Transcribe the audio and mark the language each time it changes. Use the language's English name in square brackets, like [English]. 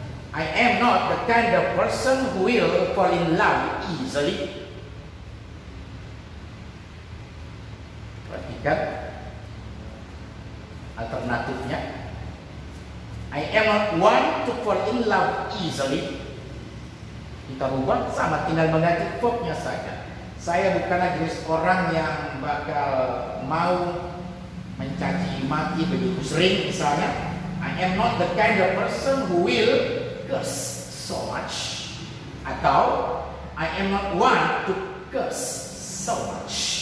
[English] I am not the kind of person who will fall in love easily. [Indonesian] Perhatikan alternatifnya. [English] I am not one to fall in love easily. [Indonesian] Kita ubah sama, tinggal mengganti verb-nya saja. Saya bukanlah jenis orang yang bakal mau mencaci maki begitu sering misalnya. [English] I am not the kind of person who will curse so much. [Indonesian] Atau [English] I am not one to curse so much.